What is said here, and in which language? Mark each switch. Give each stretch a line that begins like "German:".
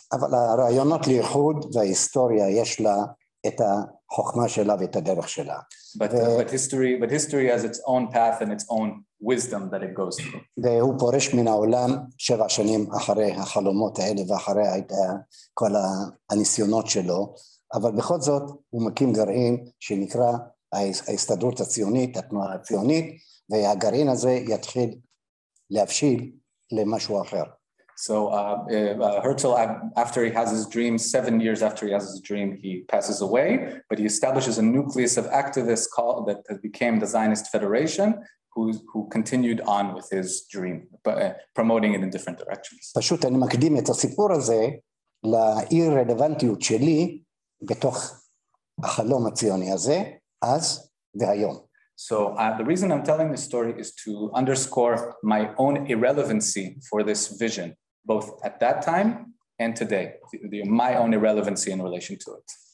Hebrew: אבל הרעיונות לאיחוד וההיסטוריה יש לה את החוכמה שלה ואת הדרך שלה.
English: But history has its own path and its own wisdom that it goes through.
Hebrew: והוא פורש מן העולם 7 שנים אחרי החלומות האלה ואחרי כל הניסיונות שלו, אבל בכל זאת הוא מקים גרעין שנקרא ההסתדרות הציונית, התנועה הציונית, והגרעין הזה יתחיל להפשיל למשהו אחר.
English: So Herzl, after he has his dream, 7 years after he has his dream, he passes away, but he establishes a nucleus of activists called that became the Zionist Federation, who continued on with his dream, but promoting it in different directions.
Hebrew: פשוט אני מקדים את הסיפור הזה לאי-רלוונטיות שלי בתוך החלום הציוני הזה, אז והיום.
English: So the reason I'm telling this story is to underscore my own irrelevancy for this vision, both at that time and today, my own irrelevancy in relation to it.